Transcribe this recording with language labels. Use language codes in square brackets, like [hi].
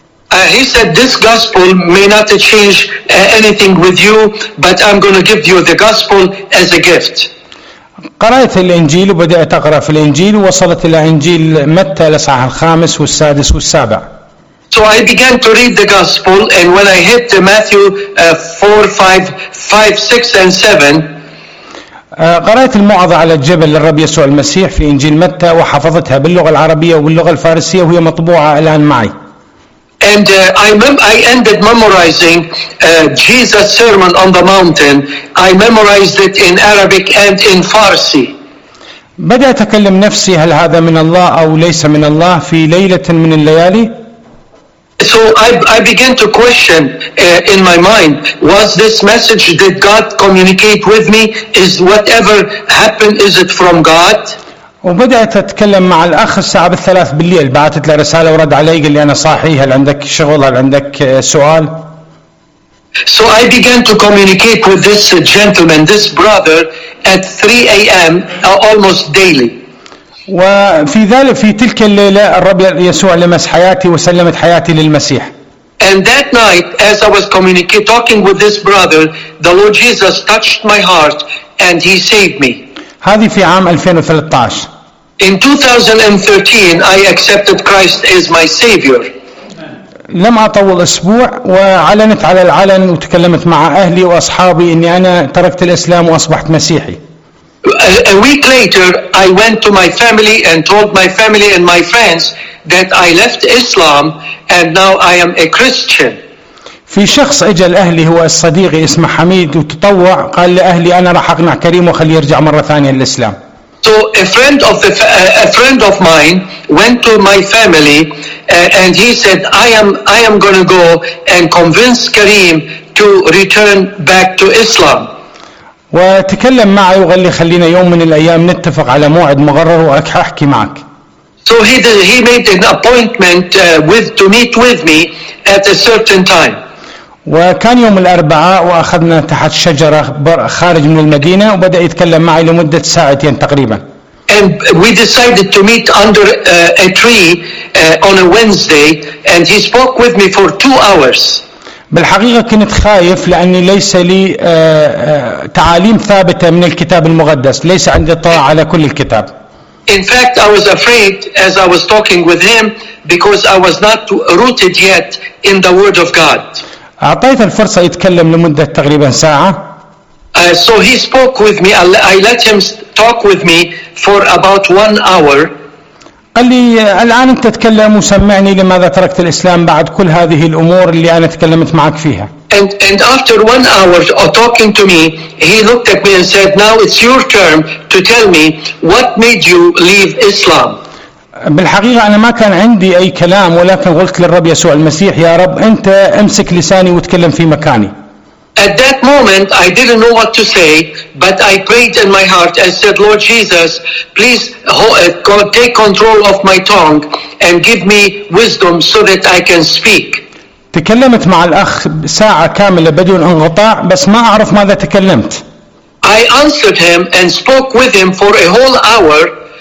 [en] He said this gospel may not change anything with you, but I'm going to give you the gospel as a gift. [ar] قرأت الإنجيل وبدأت أقرأ في الإنجيل ووصلت إلى إنجيل متى الأصحاح الخامس والسادس والسابع. [en] So I began to read the gospel, and when I hit Matthew 4, 5, 6, and 7. [ar] قرأت الموعظة على الجبل للرب يسوع المسيح في إنجيل متى وحفظتها باللغة العربية واللغة الفارسية وهي مطبوعة الآن معي. [en] And I ended memorizing Jesus' sermon on the mountain. I memorized it in Arabic and in Farsi. [ar] بدأ أتكلم نفسي هل هذا من الله أو ليس من الله في ليلة من الليالي. [en] So I began to question in my mind, was this message that God communicate with me, is whatever happened, is it from God? [ar] وبدأت أتكلم مع الأخ الساعة الثلاث بالليل. بعثت له رسالة ورد علي قال لي أنا صاحي، هل عندك شغل، هل عندك سؤال؟ [en] So I began to communicate with this gentleman, this brother, at 3 a.m. almost daily. [ar] وفي ذلك في تلك الليلة الرب يسوع لمس حياتي وسلمت حياتي للمسيح. [en] And that night, as I was talking with this brother, the Lord Jesus touched my heart and he saved me. [ar] هذه في عام 2013. [en] In 2013, I accepted Christ as my savior. [ar] لم أطول أسبوع وعلنت على العلن وتكلمت مع أهلي وأصحابي إني أنا تركت الإسلام وأصبحت مسيحي. [en] A week later, I went to my family and told my family and my friends that I left Islam and now I am a Christian. [ar] في شخص اجى لاهلي هو صديقي اسمه حميد وتطوع قال لاهلي انا راح اقنع كريم وخليه يرجع مره ثانيه للاسلام. [en] So a friend of mine went to my family and he said I am going to go and convince Kareem to return back to Islam. [ar] وتكلم معي وقال لي خلينا يوم من الايام نتفق على موعد مقرر واحكي معك. [en] So he made an appointment to meet with me at a certain time. [ar] وكان يوم الأربعاء وأخذنا تحت شجرة خارج من المدينة وبدأ يتكلم معي لمدة ساعتين تقريبا. [en] And we decided to meet under a tree on a Wednesday and he spoke with me for 2 hours. [ar] بالحقيقة كنت خايف لأني ليس لي تعاليم ثابتة من الكتاب المقدس، ليس عندي اطلاع على كل الكتاب. [en] In fact, I was afraid as I was talking with him because I was not rooted yet in the word of God. [ar] أعطيت الفرصة يتكلم لمدة تقريبا ساعة. [en] So he spoke with me. I let him talk with me for about 1 hour. [ar] قال لي الآن أنت تتكلم وسمعني لماذا تركت الإسلام بعد كل هذه الأمور اللي أنا تكلمت معك فيها. [en] And after 1 hour of talking to me, he looked at me and said, "Now it's your turn to tell me what made you leave Islam." [ar] بالحقيقة أنا ما كان عندي أي كلام ولكن قلت للرب يسوع المسيح يا رب أنت أمسك لساني وتكلم في مكاني. [en] At that moment I didn't know what to say, but I prayed in my heart and said, Lord Jesus, please take control of my tongue and give me wisdom so that I can speak. [ar] تكلمت مع الأخ ساعة كاملة بدون انقطاع بس ما أعرف ماذا تكلمت. [en] I answered him and spoke with him for a whole hour.